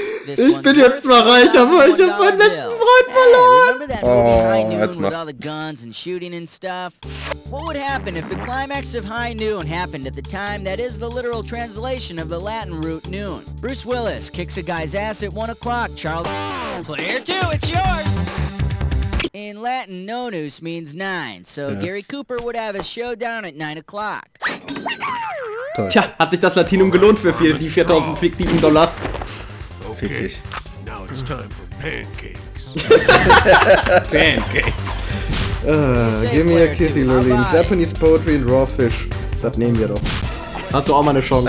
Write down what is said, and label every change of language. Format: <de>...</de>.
<de>ich bin jetzt zwar reich, aber ich habe meinen besten Freund verloren. Oh, jetzt mal.</de> <en>The guns and shooting and stuff. What would happen if the climax of High Noon happened at the time that is the literal translation of the Latin root noon? Bruce Willis kicks a guy's ass at 1 o'clock. Charles, player two, it's yours. In Latin, nonus means nine, so yeah. Gary Cooper would have a showdown at 9 o'clock.</en> <de>Toll. Tja, hat sich das Latinum gelohnt für viel, die 4000 fiktiven Dollar? Fick dich.</de> <en>Now it's time for pancakes. Pancakes. Give me a kissy, Lolin. Japanese poetry and raw fish.</en> <de>Das nehmen wir doch. Hast du auch mal eine Chance?</de>